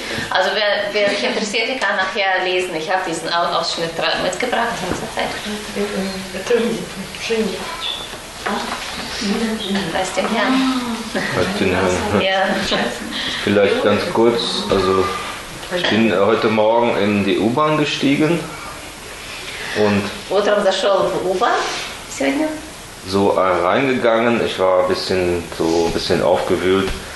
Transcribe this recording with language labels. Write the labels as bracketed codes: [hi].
[de] Also wer sich interessiert, kann nachher lesen. Ich habe diesen Ausschnitt mitgebracht in dieser Zeit. Weiß dem Herrn. Weiß dem Herrn. Vielleicht ganz kurz. Also ich bin heute Morgen in die U-Bahn gestiegen. Und [ru] утром зашел в U-Bahn сегодня. [de] So reingegangen. Ich war ein bisschen aufgewühlt.